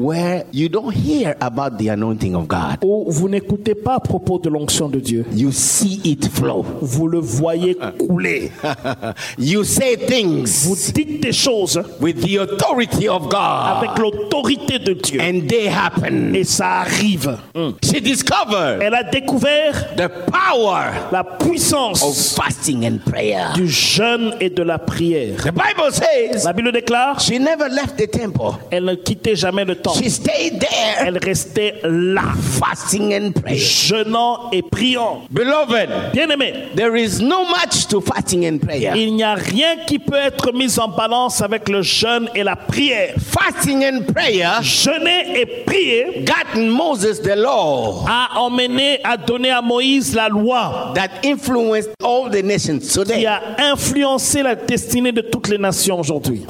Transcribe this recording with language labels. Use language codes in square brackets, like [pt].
[en] Where you don't hear about the anointing of God. [fr] Où vous n'écoutez pas à propos de l'onction de Dieu. [en] You see it flow. [fr] Vous le voyez couler. [en] You say things. [fr] Vous dites des choses. [en] With the authority of God. [fr] Avec l'autorité de Dieu. [en] And they happen. [fr] Et ça arrive. [en] Mm. She discovered. [fr] Elle a découvert. [en] The power. [fr] La puissance. [en] Of fasting and prayer. [fr] Du jeûne et de la prière. [en] The Bible says, [fr] la Bible déclare, [en] she never left the temple. [fr] Elle ne quittait jamais le temple. [en] She stayed there. [fr] Elle restait là. [en] Fasting and prayer. [fr] Jeûnant et priant. [en] Beloved, [fr] bien-aimé, [en] there is no match to fasting and prayer. [fr] Il n'y a rien qui peut être mis en balance avec le jeûne et la prière. [en] Fasting and prayer. [fr] Jeûner et prier. [en] Got Moses the law. [fr] A emmené, a donné à Moïse la loi. [en] That influenced all the nations today. [fr] Qui a influencé la destinée de toutes les nations aujourd'hui.